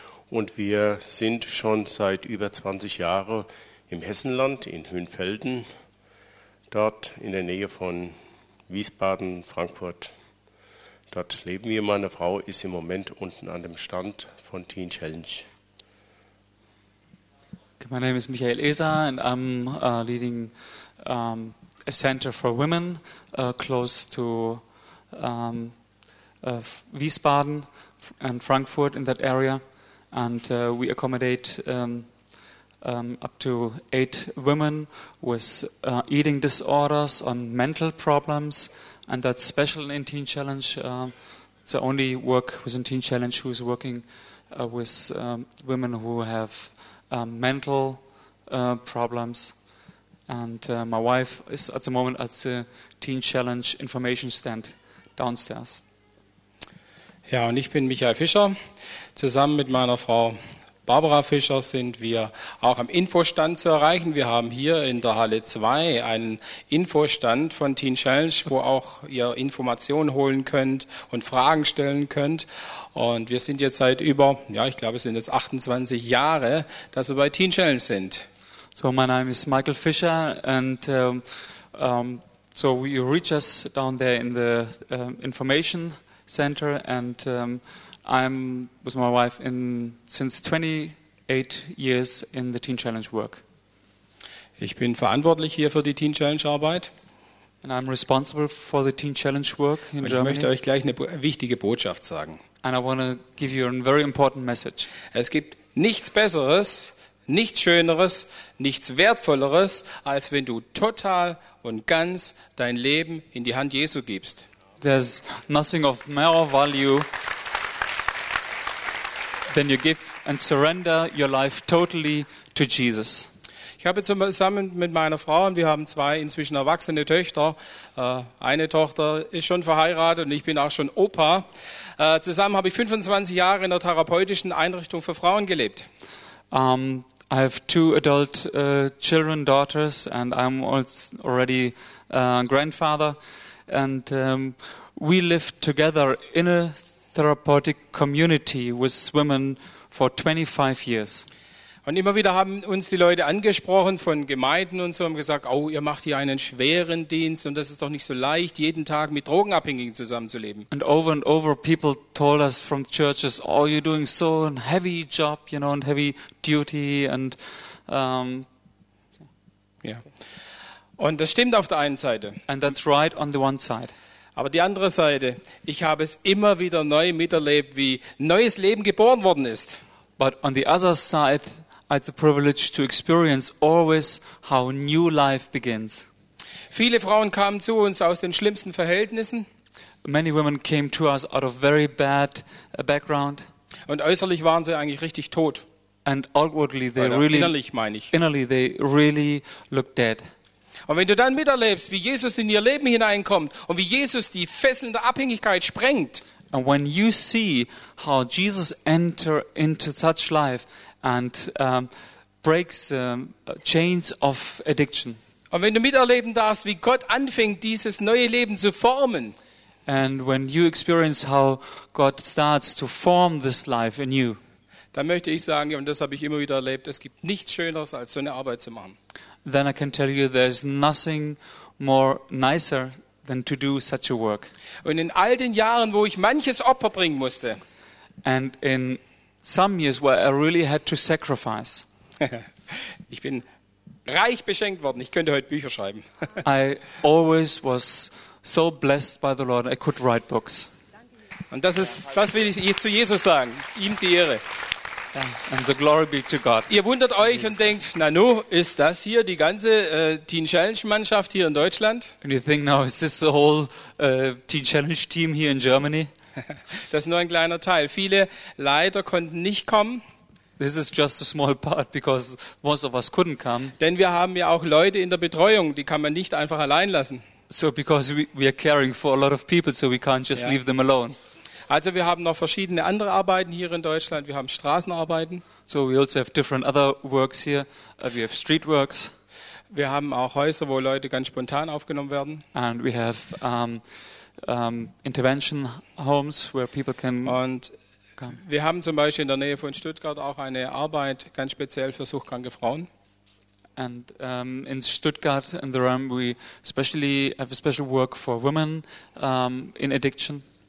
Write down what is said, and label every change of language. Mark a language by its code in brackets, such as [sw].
[de] Und wir sind schon seit über 20 Jahren im Hessenland, in Hünfelden, dort in der Nähe von Wiesbaden, Frankfurt. Dort leben wir. Meine Frau ist im Moment unten an dem Stand von Teen Challenge. [en] Okay, my name is Michael Eser and I'm leading a center for women close to Wiesbaden and Frankfurt in that area. And we accommodate up to 8 women with eating disorders and mental problems, and that's special in Teen Challenge. It's the only work within Teen Challenge who is working with women who have mental problems. And my wife is at the moment at the Teen Challenge information stand downstairs. [de] Ja, und ich bin Michael Fischer. Zusammen mit meiner Frau Barbara Fischer sind wir auch am Infostand zu erreichen. Wir haben hier in der Halle 2 einen Infostand von Teen Challenge, wo auch ihr Informationen holen könnt und Fragen stellen könnt. Und wir sind jetzt seit über, ja, ich glaube, es sind jetzt 28 Jahre, dass wir bei Teen Challenge sind. [en] So, my name is Michael Fischer and so we reach us down there in the information center, and I'm with my wife since 28 years in the Teen Challenge work. [de] Ich bin verantwortlich hier für die Teen Challenge Arbeit. [en] And I'm responsible for the Teen Challenge work in Germany. [de] Und ich möchte euch gleich eine wichtige Botschaft sagen. [en] And I want to give you a very important message. [de] Es gibt nichts Besseres, nichts Schöneres, nichts Wertvolleres, als wenn du total und ganz dein Leben in die Hand Jesu gibst. [en] There's nothing of more value than you give and surrender your life totally to Jesus. [de] Ich habe zusammen mit meiner Frau, und wir haben 2 inzwischen erwachsene Töchter, eine Tochter ist schon verheiratet und ich bin auch schon Opa, zusammen habe ich 25 Jahre in der therapeutischen Einrichtung für Frauen gelebt. [en] I have 2 adult children, daughters, and I'm already a grandfather. And we lived together in a therapeutic community with women for 25 years. [de] Und immer wieder haben uns die Leute angesprochen von Gemeinden und so, haben gesagt, oh, ihr macht hier einen schweren Dienst und das ist doch nicht so leicht, jeden Tag mit Drogenabhängigen zusammenzuleben. [en] And over people told us from churches, oh, you're doing so a heavy job, you know, and heavy duty and [de] yeah. Und das stimmt auf der einen Seite. [en] And that's right on the one side. [de] Aber die andere Seite, ich habe es immer wieder neu miterlebt, wie neues Leben geboren worden ist. [en] But on the other side, I had the privilege to experience always how new life begins. [de] Viele Frauen kamen zu uns aus den schlimmsten Verhältnissen. [en] Many women came to us out of very bad background. [de] Und äußerlich waren sie eigentlich richtig tot. [en] And outwardly they really, [de] innerlich meine ich. [en] Innerly they really looked dead. [de] Und wenn du dann miterlebst, wie Jesus in ihr Leben hineinkommt und wie Jesus die Fesseln der Abhängigkeit sprengt. [en] And when you see how Jesus enter into such life and breaks chains of addiction. [de] Und wenn du miterleben darfst, wie Gott anfängt, dieses neue Leben zu formen. [en] And when you experience how God starts to form this life in you. [de] Dann möchte ich sagen, und das habe ich immer wieder erlebt, es gibt nichts Schöneres, als so eine Arbeit zu machen. [en] Then I can tell you there's nothing more nicer than to do such a work. [de] Und in all den Jahren, wo ich manches Opfer bringen musste. [en] And in some years where I really had to sacrifice. [de] Ich bin reich beschenkt worden. Ich könnte heute Bücher schreiben. [en] I always was so blessed by the Lord. I could write books. [de] Und das will ich zu Jesus sagen. Ihm die Ehre. [en] And so glory be to God. [de] Ihr wundert euch und denkt, na nu, ist das hier die ganze Teen Challenge Mannschaft hier in Deutschland? [en] And you think now, is this the whole Teen Challenge Team here in Germany? [de] Das ist nur ein kleiner Teil. Viele Leiter konnten nicht kommen. [en] This is just a small part because most of us couldn't come. [de] Denn wir haben ja auch Leute in der Betreuung, die kann man nicht einfach allein lassen. [en] So because we are caring for a lot of people, so we can't just leave them alone. [de] Also wir haben noch verschiedene andere Arbeiten hier in Deutschland. Wir haben Straßenarbeiten. [en] So we also have different other works here. We have street works. [de] Wir haben auch Häuser, wo Leute ganz spontan aufgenommen werden. [en] And we have intervention homes where people can und come. [de] Wir haben zum Beispiel in der Nähe von Stuttgart auch eine Arbeit ganz speziell für suchtkranke Frauen. [en] And in Stuttgart in the realm we especially have a special work for women in addiction.